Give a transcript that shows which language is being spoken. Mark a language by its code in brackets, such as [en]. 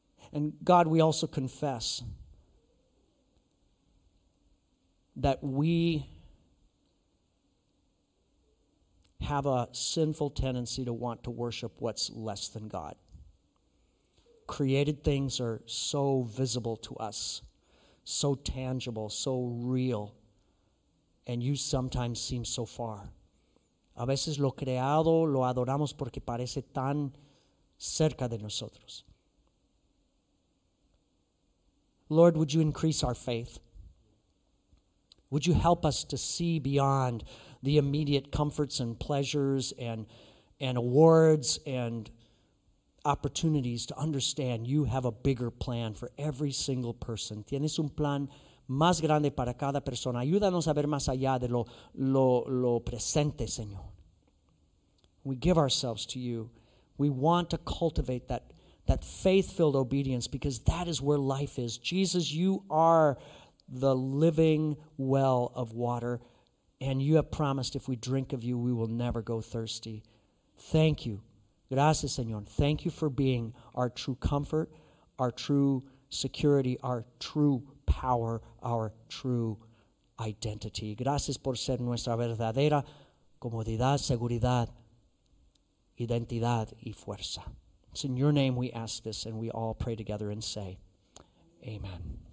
[en] And God, we also confess that we have a sinful tendency to want to worship what's less than God. Created things are so visible to us, so tangible, so real, and you sometimes seem so far. [es] A veces lo creado lo adoramos porque parece tan cerca de nosotros. [en] Lord, would you increase our faith? Would you help us to see beyond the immediate comforts and pleasures and awards and opportunities to understand you have a bigger plan for every single person? [es] Tienes un plan más grande para cada persona. Ayúdanos a ver más allá de lo presente, Señor. [en] We give ourselves to you. We want to cultivate that faith-filled obedience, because that is where life is. Jesus, you are the living well of water, and you have promised if we drink of you, we will never go thirsty. Thank you. [es] Gracias, Señor. [en] Thank you for being our true comfort, our true security, our true power, our true identity. [es] Gracias por ser nuestra verdadera comodidad, seguridad, identidad y fuerza. [en] It's in your name we ask this, and we all pray together and say, Amen.